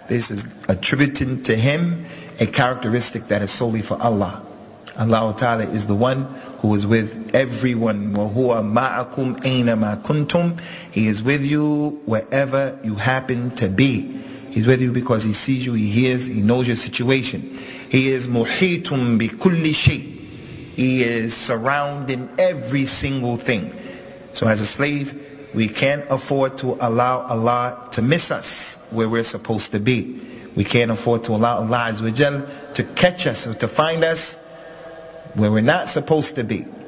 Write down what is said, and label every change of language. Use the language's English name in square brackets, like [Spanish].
[English] This is attributing to him a characteristic that is solely for Allah. Allah Ta'ala is the one who is with everyone. [Arabic] وَهُوَ مَعَكُمْ أَيْنَمَا كُنْتُمْ. [English] He is with you wherever you happen to be. He's with you because he sees you, he hears, he knows your situation. He is [Arabic] مُحِيطٌ بِكُلِّ شَيْءٍ. [English] He is surrounding every single thing. So as a slave, we can't afford to allow Allah to miss us where we're supposed to be. We can't afford to allow Allah Azza wa Jal to catch us or to find us where we're not supposed to be.